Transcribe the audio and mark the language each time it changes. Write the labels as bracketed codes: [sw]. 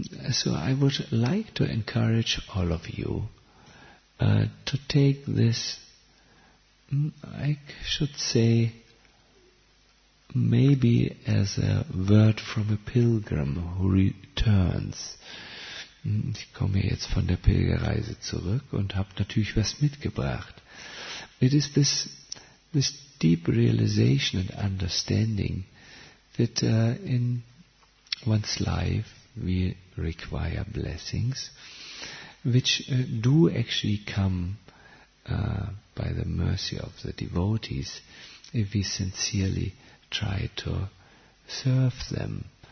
[en] So I would like to encourage all of you to take this, I should say, maybe as a word from a pilgrim who returns. [de] Ich komme jetzt von der Pilgerreise zurück und habe natürlich was mitgebracht. [en] It is this deep realization and understanding that in one's life we require blessings, which do actually come by the mercy of the devotees if we sincerely try to serve them.